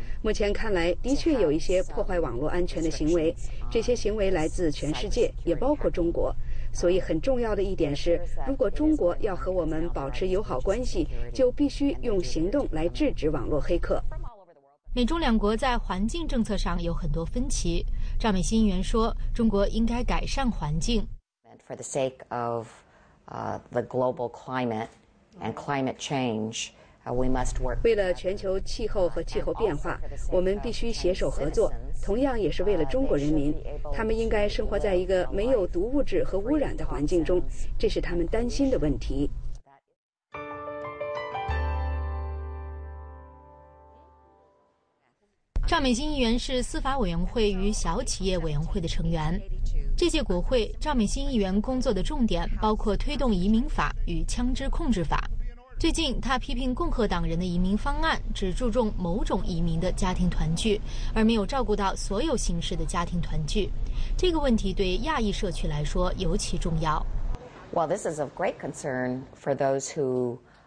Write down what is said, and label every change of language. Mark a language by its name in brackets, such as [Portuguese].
[Chinese] 目前看来的确有一些破坏网络安全的行为，这些行为来自全世界，也包括中国。所以很重要的一点是，如果中国要和我们保持友好关系，就必须用行动来制止网络黑客。美中两国在环境政策上有很多分歧，赵美欣议员说，中国应该改善环境。 [English] For the sake of the global climate and climate change, we must work. [Chinese] 为了全球气候和气候变化，我们必须携手合作。同样也是为了中国人民，他们应该生活在一个没有毒物质和污染的环境中，这是他们担心的问题。赵美欣议员是司法委员会与小企业委员会的成员。这届国会，赵美欣议员工作的重点包括推动移民法与枪支控制法。最近，他批评共和党人的移民方案只注重某种移民的家庭团聚，而没有照顾到所有形式的家庭团聚。这个问题对亚裔社区来说尤其重要。 [English] Well, this is of great concern for those who.